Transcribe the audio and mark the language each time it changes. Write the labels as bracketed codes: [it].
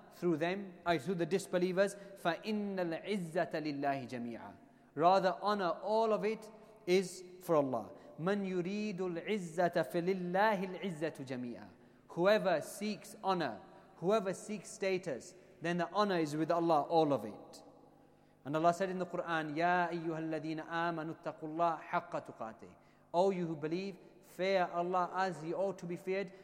[en] through them, through the disbelievers, [ar] فَإِنَّ الْعِزَّةَ لِلَّهِ جَمِيعًا. [en] Rather, honor, all of it is for Allah. [ar] مَنْ يُرِيدُ الْعِزَّةَ فَلِلَّهِ الْعِزَّةُ جَمِيعًا. [en] Whoever seeks honor, whoever seeks status, then the honor is with Allah, all of it. And Allah said in the Quran, [ar] يَا أَيُّهَا الَّذِينَ آمَنُوا اتَّقُوا اللَّهَ حَقَّ تُقَاتِهِ. [en] O you who believe, fear Allah as you ought to be feared.